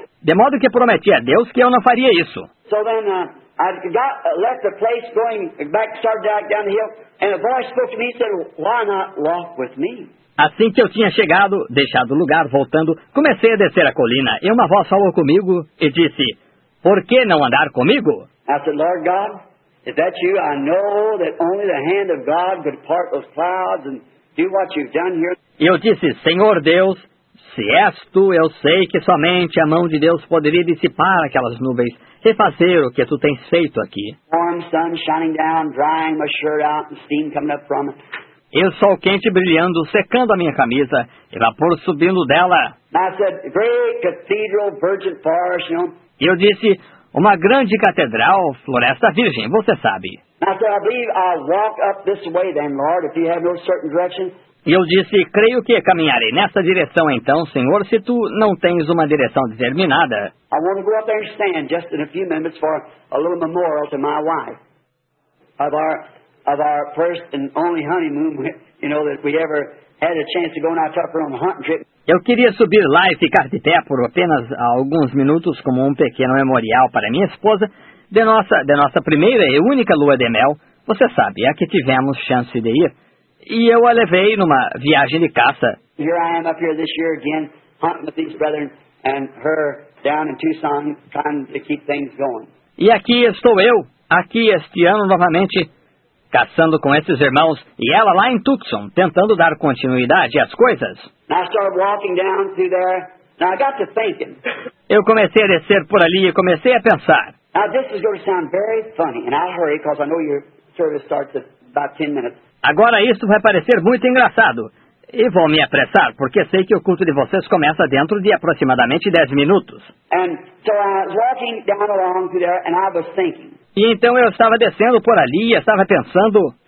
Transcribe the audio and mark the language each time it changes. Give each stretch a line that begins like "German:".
Portuguese: De modo que prometi a Deus que eu não faria isso.
English: So then, I got left the place going back to start back down the hill, and a voice spoke to me and said, why not walk with me?
Portuguese: Assim que eu tinha chegado, deixado o lugar, voltando, comecei a descer a colina, e uma voz falou comigo e disse, por que não andar comigo?
English: I said, Lord God, if that's you, I know that only the hand of God could part those clouds and do what you've done here.
Portuguese: Eu disse, Senhor Deus, se és tu, eu sei que somente a mão de Deus poderia dissipar aquelas nuvens, refazer o que tu tens feito aqui.
English: Warm sun shining down, drying my shirt out, and steam coming up from it.
Portuguese: E o sol quente brilhando, secando a minha camisa, e vapor subindo dela.
English: I said, great cathedral, virgin forest, you know.
Portuguese: E eu disse, uma grande catedral, floresta virgem, você sabe.
English: I said, I believe I'll walk up this way then, Lord, if you have no certain direction.
Portuguese: E eu disse, creio que caminharei nessa direção então, Senhor, se tu não tens uma direção determinada.
English: I want to go up there and stand just in a few minutes for a little memorial to my wife. Of our first and only honeymoon, you know, that we ever had a chance to go and I took her on a hunting trip.
Portuguese: Eu queria subir lá e ficar de pé por apenas alguns minutos como um pequeno memorial para minha esposa de nossa primeira e única lua de mel. Você sabe, é que tivemos chance de ir. E eu a levei numa viagem de caça.
English: Here I am up here this year again, hunting with these brethren and her down in Tucson, trying to keep things going.
Portuguese: E aqui estou eu, aqui este ano novamente, caçando com esses irmãos e ela lá em Tucson, tentando dar continuidade às coisas.
English: I started walking down through there. Now I got to thinking.
Portuguese: Eu comecei a descer por ali e comecei a pensar.
English: Now this is going to sound very funny, and I'll hurry because I know your service starts at about 10 minutes.
Portuguese: Agora isso vai parecer muito engraçado. E vou me apressar, porque sei que o culto de vocês começa dentro de aproximadamente 10 minutos.
English: And so I was walking down along through there, and I was thinking.
Portuguese: E então eu estava descendo por ali e estava pensando.